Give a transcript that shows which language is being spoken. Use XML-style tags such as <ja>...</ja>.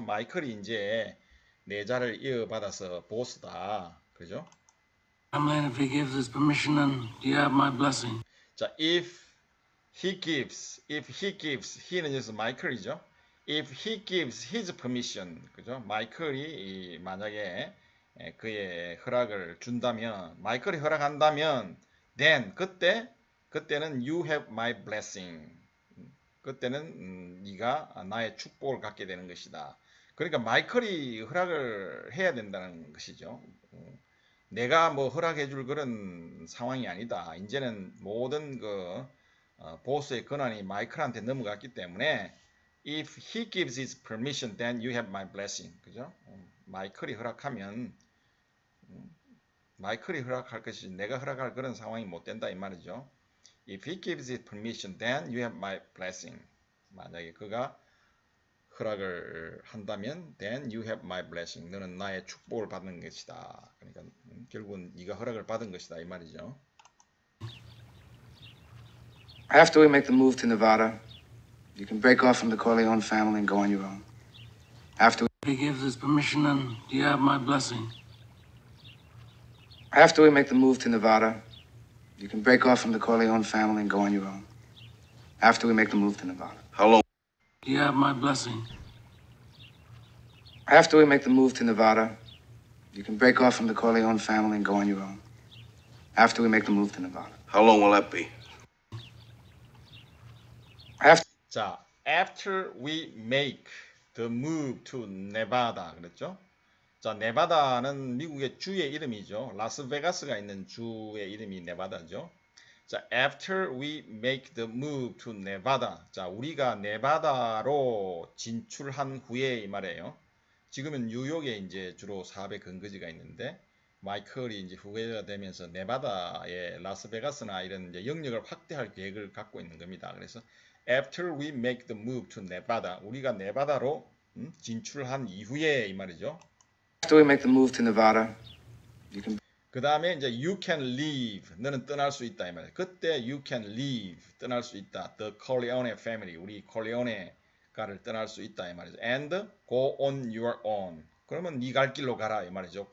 <ko>마이클이 이제 내 자를 이어받아서 보스다, 그죠?</ko> <en>If he gives his permission, then you have my blessing.</en> <ko>자,</ko> <en>if he gives,</en> <ko>he는 여기서 마이클이죠.</ko> <en>If he gives his permission,</en> <ko>그죠? 마이클이 만약에 그의 허락을 준다면, 마이클이 허락한다면,</ko> <en>then</en> <ko>그때는</ko> <en>you have my blessing.</en> <ko>그때는 네가 나의 축복을 갖게 되는 것이다. 그러니까 마이클이 허락을 해야 된다는 것이죠. 내가 뭐 허락해줄 그런 상황이 아니다. 이제는 모든 그 보스의 권한이 마이클한테 넘어갔기 때문에</ko> <en>If he gives his permission, then you have my blessing.</en> <ko>그죠? 마이클이 허락하면 마이클이 허락할 것이지 내가 허락할 그런 상황이 못 된다 이 말이죠.</ko> <en>If he gives his permission, then you have my blessing.</en> <ko>만약에 그가 허락을 한다면</ko> <en>then you have my blessing.</en> <ko>너는 나의 축복을 받는 것이다. 그러니까 결국은 네가 허락을 받은 것이다 이 말이죠.</ko> <en>After we make the move to Nevada, you can break off from the Corleone family and go on your own. After he gives his permission, then you have my blessing. After we make the move to Nevada, you can break off from the Corleone family and go on your own. After we make the move to Nevada. How long? You have my blessing. After we make the move to Nevada, you can break off from the Corleone family and go on your own. After we make the move to Nevada. How long will that be? After we make the move to Nevada,</en> <ko>그랬죠? 자, 네바다는 미국의 주의 이름이죠. 라스베가스가 있는 주의 이름이 네바다죠. 자,</ko> <en>after we make the move to Nevada.</en> <ko>자, 우리가 네바다로 진출한 후에 이 말이에요. 지금은 뉴욕에 이제 주로 사업의 근거지가 있는데 마이클이 이제 후계자가 되면서 네바다의 라스베가스나 이런 이제 영역을 확대할 계획을 갖고 있는 겁니다. 그래서</ko> <en>after we make the move to Nevada.</en> <ko>우리가 네바다로 진출한 이후에 이 말이죠.</ko> <en>After we make the move to Nevada, you can.</en> <ko>그 다음에 이제</ko> <en>you can leave.</en> <ko>너는 떠날 수 있다 이 말이야. 그때</ko> <en>you can leave.</en> <ko>떠날 수 있다.</ko> <en>The Corleone family.</en> <ko>우리 Corleone가를 떠날 수 있다 이 말이죠.</ko> <en>And go on your own.</en> <ko>그러면 네 갈 길로 가라 이 말이죠.</ko>